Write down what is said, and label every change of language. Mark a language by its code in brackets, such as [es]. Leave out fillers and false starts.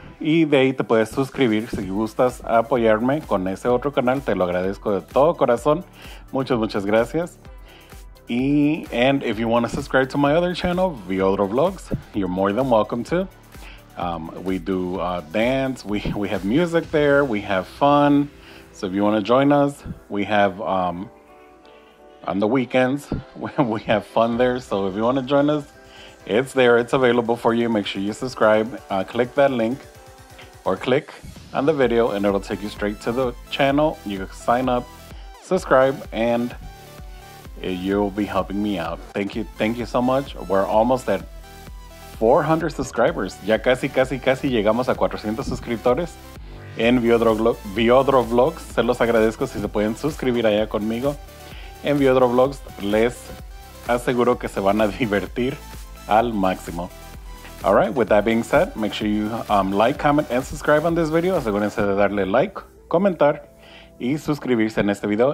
[es] Y de ahí te puedes suscribir si gustas apoyarme con ese otro canal. Te lo agradezco de todo corazón. Muchas, muchas gracias. [en] Y and if you want to subscribe to my other channel, Viodro Vlogs, you're more than welcome to. We do dance. We have music there. We have fun. So if you want to join us, we have on the weekends, we have fun there. So if you want to join us, it's there. It's available for you. Make sure you subscribe. Click that link or click on the video and it'll take you straight to the channel. You can sign up, subscribe, and you'll be helping me out. Thank you. Thank you so much. We're almost at 400 subscribers. [es] Ya casi, casi, casi llegamos a 400 suscriptores. En Viodro Vlogs, se los agradezco si se pueden suscribir allá conmigo. En Viodro Vlogs, les aseguro que se van a divertir al máximo. [en] All right, with that being said, make sure you like, comment, and subscribe on this video. [es] Asegúrense de darle like, comentar y suscribirse en este video.